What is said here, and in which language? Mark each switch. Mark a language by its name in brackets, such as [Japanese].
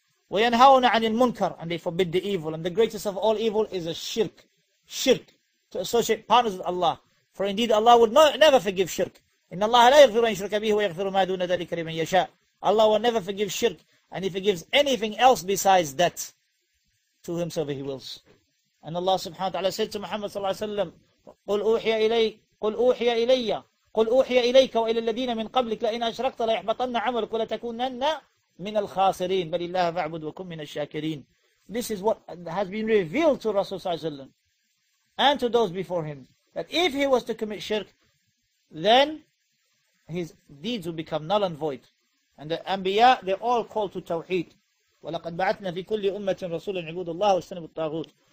[Arabic] وَيَنْهَوْنَ عَنِ الْمُنْكَرِ, [English] and they forbid the evil. And the greatest of all evil is a shirk. Shirk, to associate partners with Allah. For indeed Allah would never forgive shirk. [Arabic] إِنَّ اللَّهَ لَا يَغْفِرُ أَنْ يُشْرَكَ بِهِ وَيَغْفِرُ مَا دُونَ ذَلِكَ لِمَنْ يَشَاءُ. [English] Allah will never forgive shirk. And he forgives anything else besides that to whomsoever he wills. And Allah subhanahu wa ta'ala said to Muhammad sallallahu alayhi wa sallam, [Arabic] قُلْ أُوحِيَ إِلَيَّ قُلْ أُوحِيَ إِلَيْكَ وَإِلَى الَّذِينَ مِنْ قَبْلِكَ لَإِنْ أَشْرَكْتَ لَيَحْبَطَنَّ عَمَلُكَ وَلَتَكُونَنَّ مِنَ الْخَاسِرِينَ بَلِ اللَّهَ فَاعْبُدْ وَكُن مِنَ الشَّاكِرِينَ. [English] This is what has been revealed to Rasul sallallahu alayhi wa sallam and to those before him, that if he was to commit shirk, then his deeds would become null and void. And the Anbiya, they all call to Tawheed. [Arabic] وَلَقَدْ بَعَثْنَا فِي كُلِّ أُمَّةٍ رَسُولًا عِبُودُ اللَّهِ وَاسْتَنِبُوا الطَّاغُوتِ.